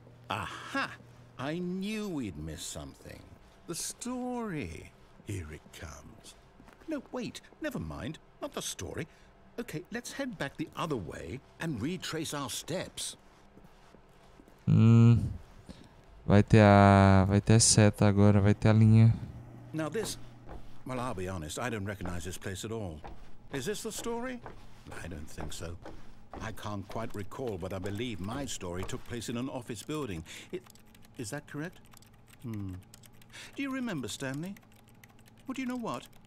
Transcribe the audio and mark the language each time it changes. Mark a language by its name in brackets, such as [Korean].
[English] Aha! I knew we'd miss something. The story. Here it comes. No, wait, never mind. Not the story. Okay, let's head back the other way and retrace our steps. [Portuguese] Vai ter a seta agora, vai ter a linha. [English] Now this... Well, I'll be honest, I don't recognize this place at all. Is this the story? I don't think so. I can't quite recall, but I believe my story took place in an office building. Is that correct? Do you remember, Stanley? Well, do you know what?